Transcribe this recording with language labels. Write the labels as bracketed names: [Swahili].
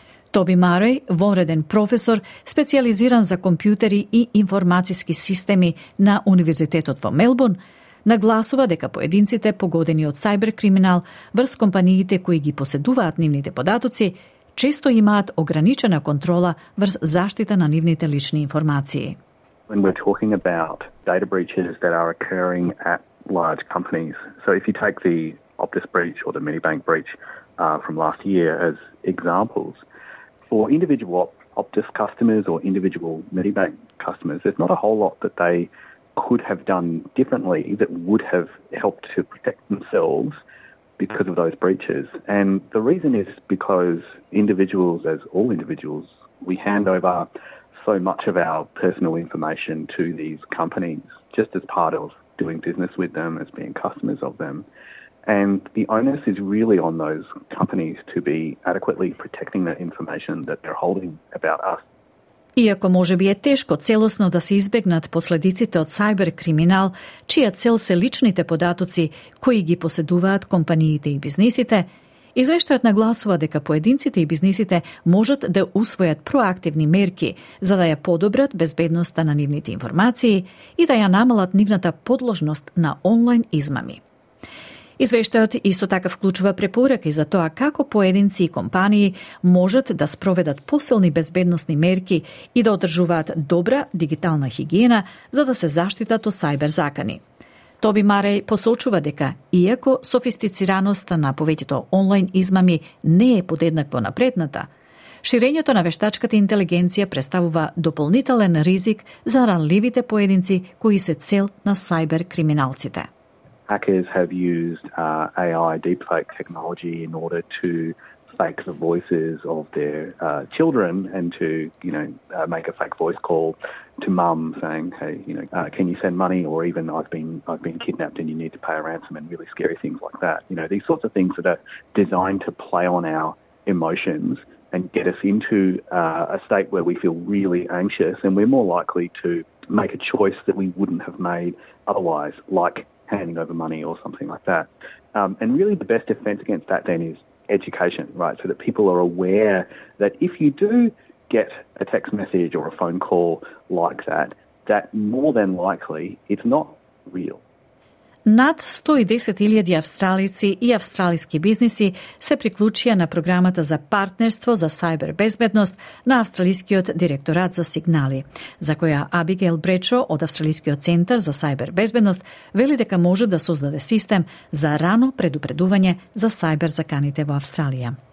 [Macedonian] Тоби Марој, вонреден професор, специализиран за компјутери и информацијски системи на Универзитетот во Мелбурн, нагласува дека поединците погодени од сајберкриминал врз компаниите кои ги поседуваат нивните податоци, често имаат ограничена контрола врз заштита на нивните лични информации. [English] When we're talking about data breaches that are occurring at large companies, so if you take the Optus breach or the Medibank breach from last year as examples, for individual Optus customers or individual Medibank customers, there's not a whole lot that they could have done differently that would have helped to protect themselves because of those breaches. And the reason is because individuals, as all individuals, we hand over so much of our personal information to these companies just as part of doing business with them, as being customers of them. And the onus is really on those companies to be adequately protecting the information that they're holding about us. [Macedonian] Иако може би е тешко целосно да се избегнат последиците од сајберкриминал, чија цел се личните податоци кои ги поседуваат компаниите и бизнисите, извештајот нагласува дека поединците и бизнисите можат да усвојат проактивни мерки за да ја подобрат безбедноста на нивните информации и да ја намалат нивната подложност на онлайн измами. Извештајот исто така вклучува препораки за тоа како поединци и компании можат да спроведат посилни безбедносни мерки и да одржуваат добра дигитална хигиена за да се заштитат од сајбер закани. Тоби Марај посочува дека, иако софистицираноста на повеќето онлайн измами не е подеднакво напредната, ширењето на вештачката интелигенција представува дополнителен ризик за ранливите поединци кои се цел на сајбер криминалците. [English] Hackers have used AI deepfake technology in order to fake the voices of their children and to, you know, make a fake voice call to mum saying, hey, you know, can you send money? Or even I've been kidnapped and you need to pay a ransom, and really scary things like that. You know, these sorts of things that are designed to play on our emotions and get us into a state where we feel really anxious and we're more likely to make a choice that we wouldn't have made otherwise, like handing over money or something like that. And really the best defense against that then is education, right? So that people are aware that if you do get a text message or a phone call like that, that more than likely it's not real. [Macedonian] Над 110.000 австралици и австралиски бизниси се приклучија на програмата за партнерство за сајбер безбедност на Австралискиот директорат за сигнали, за која Абигел Бречо од Австралискиот центар за сајбер безбедност вели дека може да создаде систем за рано предупредување за сајбер заканите во Австралија.